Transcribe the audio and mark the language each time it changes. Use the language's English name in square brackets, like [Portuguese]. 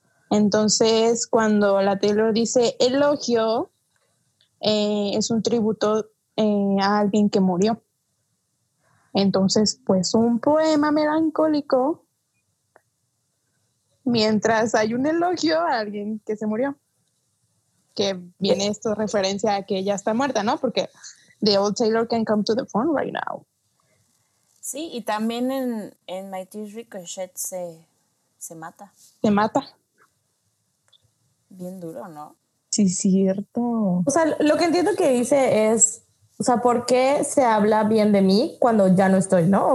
[Spanish] Entonces, cuando la Taylor dice elogio, es un tributo a alguien que murió. Entonces, pues un poema melancólico mientras hay un elogio a alguien que se murió. Que viene esto referencia a que ella está muerta, ¿no? Porque [English] the old Taylor can come to the phone right now. [Spanish] Sí, y también en My Tears Ricochet se mata. Se mata. Bien duro, ¿no? Sí, cierto. O sea, lo que entiendo que dice es, o sea, ¿por qué se habla bien de mí cuando ya no estoy, ¿no?